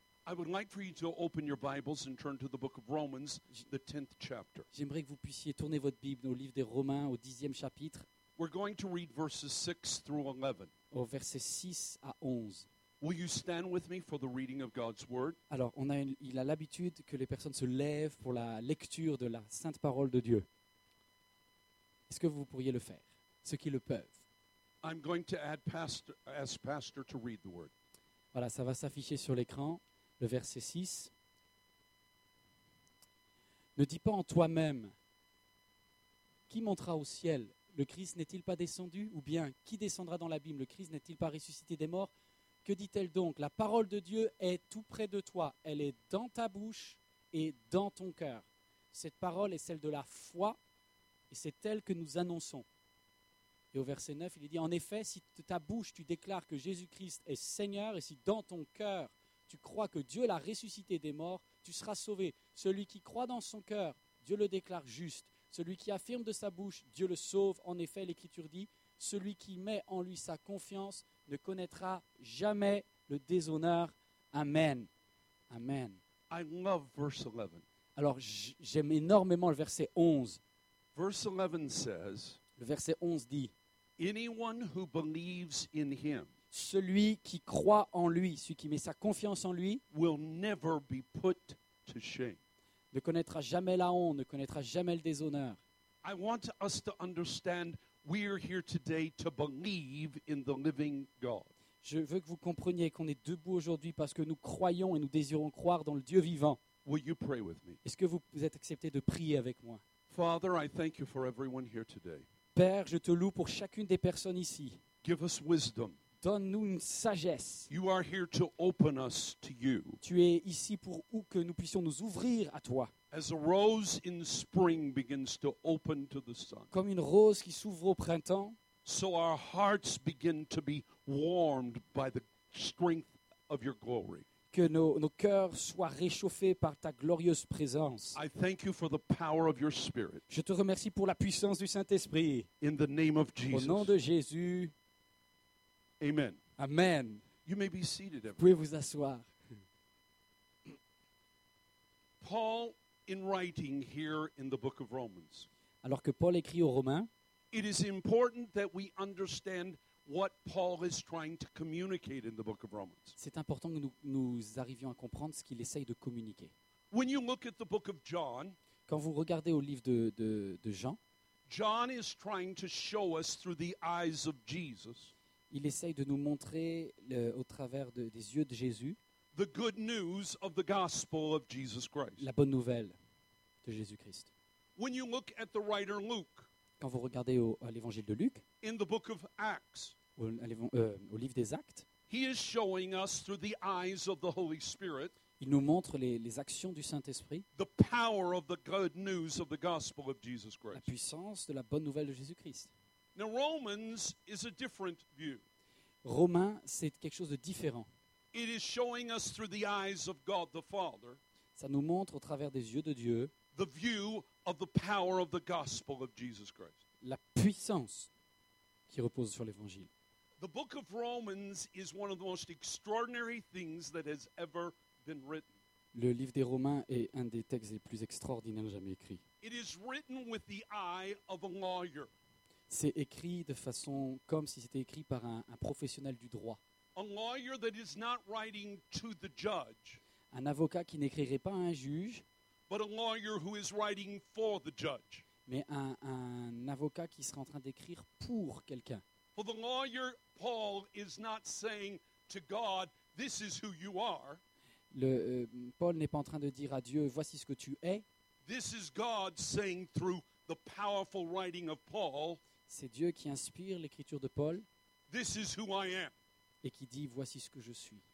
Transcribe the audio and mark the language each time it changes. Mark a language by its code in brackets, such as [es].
[en] I would like for you to open your Bibles and turn to the book of Romans, the 10th chapter. [fr] J'aimerais que vous puissiez tourner votre Bible au livre des Romains, au 10e chapitre. [en] We're going to read verses 6 through 11. [fr] Au verset 6 à 11. [en] Will you stand with me for the reading of God's word? [fr] Alors, il a l'habitude que les personnes se lèvent pour la lecture de la sainte parole de Dieu. Est-ce que vous pourriez le faire? Ceux qui le peuvent. [en] I'm going to add pastor, ask pastor to read the word. [fr] Voilà, ça va s'afficher sur l'écran, le verset 6. Ne dis pas en toi-même qui montera au ciel. Le Christ n'est-il pas descendu? Ou bien, qui descendra dans l'abîme? Le Christ n'est-il pas ressuscité des morts? Que dit-elle donc? La parole de Dieu est tout près de toi. Elle est dans ta bouche et dans ton cœur. Cette parole est celle de la foi et c'est elle que nous annonçons. Et au verset 9, il est dit, en effet, si de ta bouche tu déclares que Jésus-Christ est Seigneur et si dans ton cœur tu crois que Dieu l'a ressuscité des morts, tu seras sauvé. Celui qui croit dans son cœur, Dieu le déclare juste. Celui qui affirme de sa bouche, Dieu le sauve. En effet, l'Écriture dit, celui qui met en lui sa confiance ne connaîtra jamais le déshonneur. Amen. Amen. [en] I love verse 11. [fr] Alors, j'aime énormément le verset 11. [en] Verse 11 says, [fr] le verset 11 dit, [en] anyone who believes in him, [fr] celui qui croit en lui, celui qui met sa confiance en lui, [en] will never be put to shame. [fr] Ne connaîtra jamais la honte, ne connaîtra jamais le déshonneur. [en] I want us to understand we are here today to believe in the living God. [fr] Je veux que vous compreniez qu'on est debout aujourd'hui parce que nous croyons et nous désirons croire dans le Dieu vivant. [en] Will you pray with me? [fr] Est-ce que vous êtes accepté de prier avec moi? [en] Father, I thank you for everyone here today. [fr] Père, je te loue pour chacune des personnes ici. [en] Give us wisdom. [fr] Donne-nous une sagesse. [en] You are here to open us to you. [fr] Tu es ici pour où que nous puissions nous ouvrir à toi. [en] As a rose in spring begins to open to the sun. [fr] Comme une rose qui s'ouvre au printemps. [en] So our hearts begin to be warmed by the strength of your glory. [fr] Que nos cœurs soient réchauffés par ta glorieuse présence. [en] I thank you for the power of your spirit. [fr] Je te remercie pour la puissance du Saint-Esprit. [en] In the name of Jesus. [fr] Au nom de Jésus. [en] Amen. [fr] Amen. [en] You may be seated, [fr] vous pouvez vous asseoir. [en] Paul, in writing here in the book of Romans, [fr] alors que Paul écrit aux Romains, [en] it is important that we understand what Paul is trying to communicate in the book of Romans. [fr] C'est important que nous arrivions à comprendre ce qu'il essaye de communiquer. [en] When you look at the book of John, [fr] quand vous regardez au livre de Jean, [en] John is trying to show us through the eyes of Jesus. [fr] Il essaye de nous montrer au travers des yeux de Jésus. [en] The good news of the gospel of Jesus Christ. [fr] La bonne nouvelle de Jésus-Christ. [en] When you look at the writer Luke. [fr] Quand vous regardez à l'évangile de Luc. [en] In the book of Acts. [fr] Au livre des Actes. [en] He is showing us through the eyes of the Holy Spirit. [fr] Il nous montre les actions du Saint-Esprit. [en] The power of the good news of the gospel of Jesus Christ. [fr] La puissance de la bonne nouvelle de Jésus-Christ. [en] Now Romans is a different view. [fr] Romains, c'est quelque chose de différent. [en] It is showing us through the eyes of God the Father. [fr] Ça nous montre au travers des yeux de Dieu. [en] The view of the power of the gospel of Jesus Christ. [fr] La puissance qui repose sur l'Évangile. [en] The book of Romans is one of the most extraordinary things that has ever been written. [fr] Le livre des Romains est un des textes les plus extraordinaires jamais écrits. [en] It is written with the eye of a lawyer. [fr] C'est écrit de façon comme si c'était écrit par un professionnel du droit. [en] A lawyer that is not writing to the judge. [fr] Un avocat qui n'écrirait pas à un juge. [en] But a lawyer who is writing for the judge. [fr] Mais un avocat qui serait en train d'écrire pour quelqu'un. [en] For the lawyer, Paul is not saying to God, "This is who you are." [fr] Paul n'est pas en train de dire à Dieu, voici ce que tu es. [en] This is God saying through the powerful writing of Paul. [fr] C'est Dieu qui inspire l'écriture de Paul. [en] This is who I am. [fr] Et qui dit, voici ce que je suis.